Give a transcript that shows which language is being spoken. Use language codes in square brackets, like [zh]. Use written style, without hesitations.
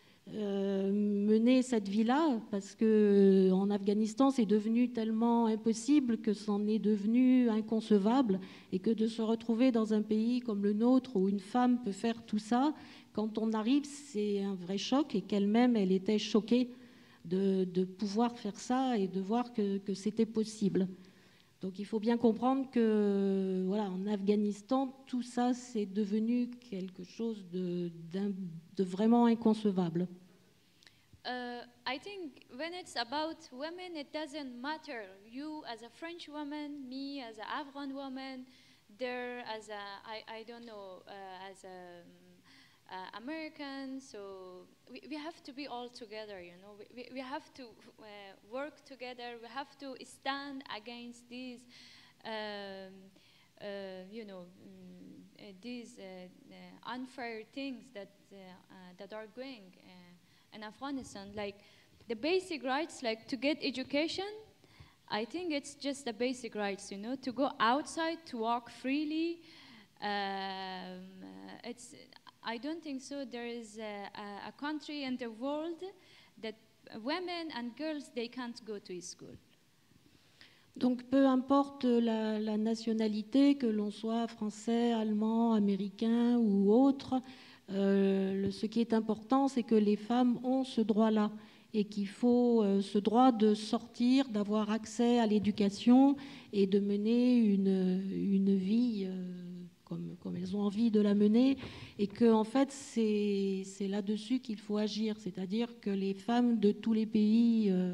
[fr] mener cette vie-là, parce qu'en Afghanistan, c'est devenu tellement impossible que c'en est devenu inconcevable, et que de se retrouver dans un pays comme le nôtre, où une femme peut faire tout ça, quand on arrive, c'est un vrai choc, et qu'elle-même, elle était choquée de pouvoir faire ça et de voir que c'était possible. Donc il faut bien comprendre que voilà, en Afghanistan, tout ça c'est devenu quelque chose de vraiment inconcevable. [en] I think when it's about women, it doesn't matter. You as a French woman, me as an Afghan woman, there as a I don't know as a American. So we have to be all together, you know. We have to work together. We have to stand against these, these unfair things that are going in Afghanistan. Like the basic rights, like to get education. I think it's just the basic rights, you know, to go outside, to walk freely. I don't think so. There is a country in the world that women and girls, they can't go to school. [fr] Donc, peu importe la nationalité, que l'on soit français, allemand, américain ou autre, ce qui est important, c'est que les femmes ont ce droit-là et qu'il faut ce droit de sortir, d'avoir accès à l'éducation et de mener une vie comme elles ont envie de la mener, et que en fait c'est là-dessus qu'il faut agir, c'est-à-dire que les femmes de tous les pays